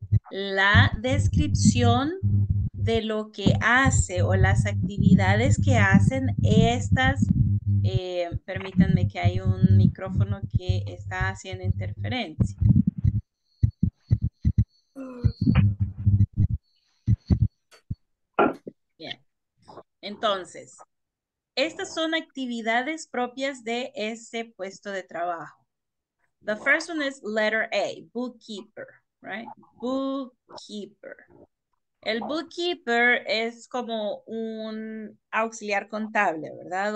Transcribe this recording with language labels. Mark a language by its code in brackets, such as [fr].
[es] La descripción de lo que hace o las actividades que hacen estas, permítanme que hay un micrófono que está haciendo interferencia. Bien, entonces, estas son actividades propias de ese puesto de trabajo. [en] The first one is letter A, bookkeeper, right? Bookkeeper. [es] El bookkeeper es como un auxiliar contable, ¿verdad?